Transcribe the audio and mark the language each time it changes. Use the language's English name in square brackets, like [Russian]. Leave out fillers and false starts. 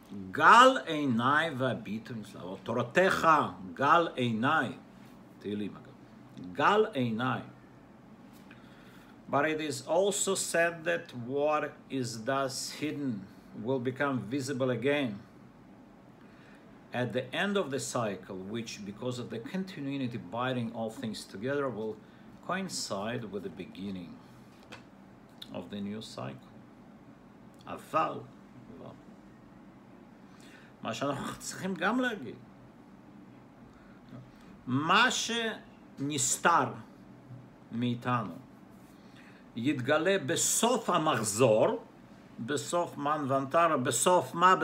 [Hebrew] גל עיניי והביט, תורתך, גל עיניי, תהילים אגב, גל עיניי. [English] But it is also said that what is thus hidden will become visible again at the end of the cycle, which because of the continuity binding all things together will coincide with the beginning of the new cycle. [Hebrew] אבל, מה שאנחנו צריכים גם להגיד, מה שנסתר מאיתנו יתגלה בסוף המחזור, בסוף מן ונטר, בסוף מה?